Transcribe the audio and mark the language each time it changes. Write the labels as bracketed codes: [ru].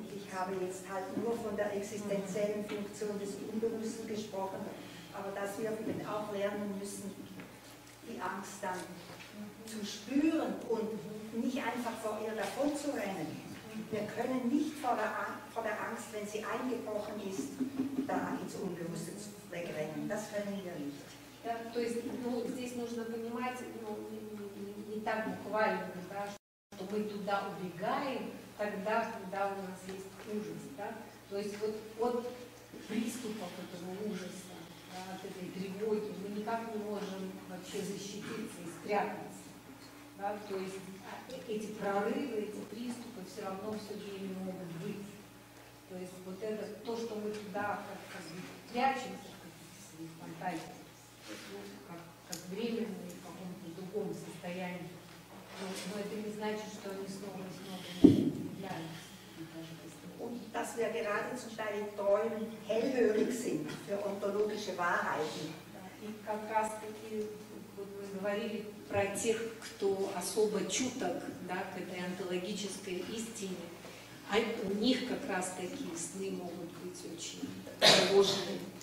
[de] Habe jetzt halt nur von der existenziellen Funktion des Unbewussten gesprochen, aber dass wir auch lernen müssen, die Angst dann zu spüren und nicht einfach vor ihr davon zu rennen. Wir können nicht vor der Angst, wenn sie eingebrochen ist, da ins Unbewusste wegrennen. Das können wir nicht. [ru] Ja, то есть, ну, здесь нужно понимать, ну, не так буквально, да, что мы туда убегаем, тогда, когда у нас есть ужас, да? То есть вот от приступов этого ужаса, да, от этой тревоги мы никак не можем вообще защититься и спрятаться. Да? То есть эти прорывы, эти приступы все равно все время могут быть. То есть вот это то, что мы туда как бы прячемся, как в своей фантазии, как временные в каком-то другом состоянии. Но это не значит, что они снова и снова не являются. [de] Und dass wir gerade zum Teil in Träumen hellhörig sind für ontologische Wahrheiten. [ru] Und как раз таки вот мы говорили про тех, кто особо чуток, да, к этой онтологической истине, а у них как раз таки сны могут быть очень тревожными.